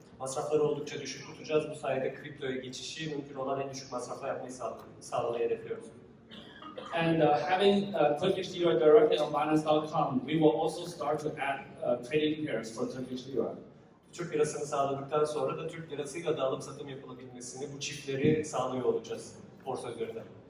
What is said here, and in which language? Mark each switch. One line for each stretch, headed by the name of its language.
Turkish: Masrafları oldukça düşük tutacağız, bu sayede kriptoya geçişi mümkün olan en düşük masrafla yapmayı sağlamayı hedefliyoruz.
English: And having Turkish lira directly on Binance.com, we will also start to add trading pairs for Turkish lira.
Turkish: Türk lirasını sağladıktan sonra da Türk lirasıyla da alım satım yapılabilmesini, bu çiftleri sağlıyor olacağız borsa üzerinden.